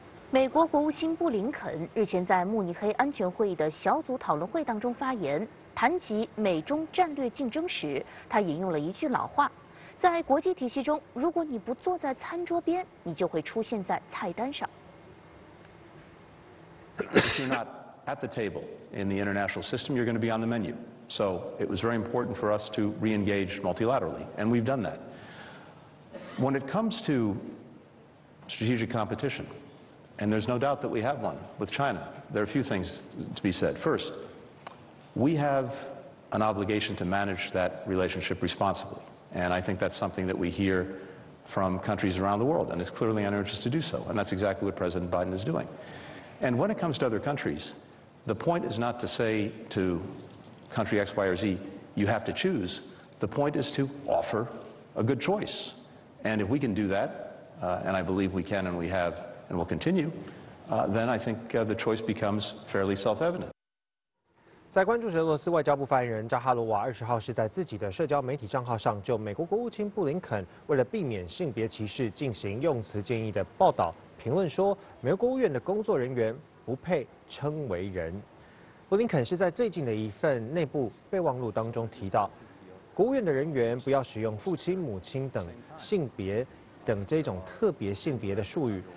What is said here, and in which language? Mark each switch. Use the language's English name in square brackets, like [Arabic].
[Chinese] 美国国务卿布林肯日前在慕尼黑安全会议的小组讨论会当中发言，谈及美中战略竞争时，他引用了一句老话。在国际体系中，如果你不坐在餐桌边，你就会出现在菜单上。 [English] if you're not at the table in the international system, you're going to be on the menu. So it was very important for us to re-engage multilaterally, and we've done that. When it comes to strategic competition, and there's no doubt that we have one with China, there are a few things to be said. First, we have an obligation to manage that relationship responsibly, and I think that's something that we hear from countries around the world, and it's clearly in our interest to do so, and that's exactly what President Biden is doing. And when it comes to other countries, the point is not to say to country X, Y, or Z, you have to choose. The point is to offer a good choice. And if we can do that, and I believe we can and we have and will continue, then I think the choice becomes fairly self-evident. [Chinese] 在关注俄罗斯外交部发言人扎哈罗娃20号是在自己的社交媒体账号上就美国国务卿布林肯为了避免性别歧视进行用词建议的报道评论说，美国国务院的工作人员不配称为人。布林肯是在最近的一份内部备忘录当中提到，国务院的人员不要使用父亲、母亲等性别等这种特别性别的术语。